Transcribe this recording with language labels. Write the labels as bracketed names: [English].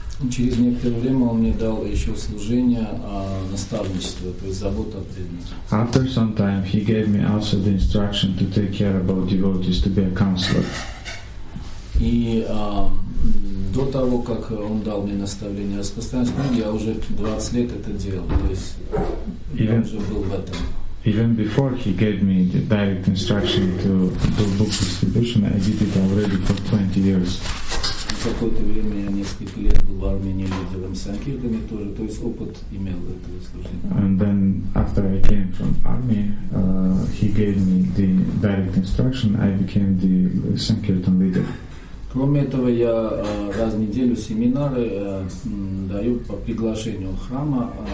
[Russian] Через некоторое время он мне дал еще служение наставничество, то есть забота о преданных. [English] After some time, he gave me also the instruction to take care about devotees, to be a counselor. [Russian] И до того, как он дал мне наставление распространять книги, я уже 20 лет это делал, то есть я уже был в этом. [English] Even before he gave me the direct instruction to do book distribution, I did it already for 20 years. [Russian] Какое-то время я несколько лет был в Армении лидером санкиртами тоже, то есть опыт имел этого служения. [English] And then after I came from army, he gave me the direct instruction. I became the sankirtan leader. [Russian] Кроме этого, я раз в неделю семинары даю по приглашению храма.